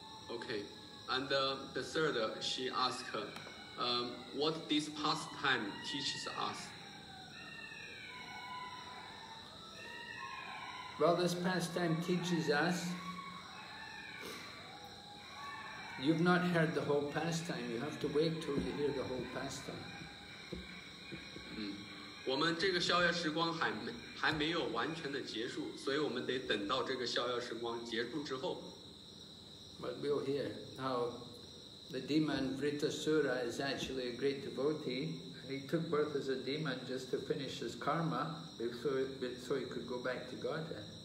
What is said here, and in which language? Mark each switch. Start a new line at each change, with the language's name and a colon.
English: Okay, and the third, she asked, what this pastime teaches us. Well, this pastime teaches us, you've not heard the whole pastime, you have to wait till you hear the whole pastime.
Chinese: 我们这个逍遥时光还没有完全的结束, 所以我们得等到这个逍遥时光结束之后。
English: But we'll hear how the demon Vritasura is actually a great devotee, and he took birth as a demon just to finish his karma so he could go back to Godhead.